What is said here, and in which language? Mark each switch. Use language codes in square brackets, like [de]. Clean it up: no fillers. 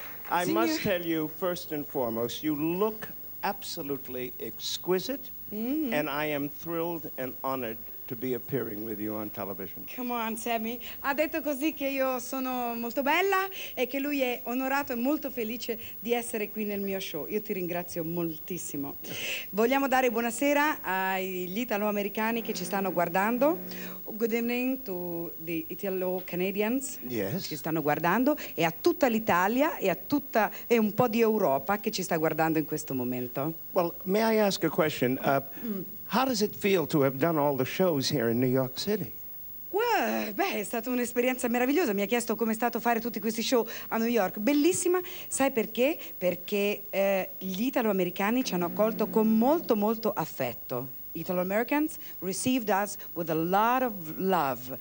[en] I must tell you, first and foremost, you look absolutely exquisite, and I am thrilled and honored to be appearing with you on television. Come on, Sammy. [it] Ha detto così che io sono molto bella e che lui è onorato e molto felice di essere qui nel mio show. Io ti ringrazio moltissimo. Vogliamo dare buonasera agli italo-americani che ci stanno guardando. [en] Good evening to the Italo-Canadians. Yes. [it] Ci stanno guardando e a tutta l'Italia e a tutta e un po' di Europa che ci sta guardando in questo momento. [en] Well, may I ask a question? How does it feel to have done all the shows here in New York City? [it] Beh, è stata un'esperienza meravigliosa. Mi ha chiesto come è stato fare tutti questi show a New York. Bellissima. Sai perché? Perché gli italo-americani ci hanno accolto con molto, molto affetto. [en] Italo-Americans received us with a lot of love.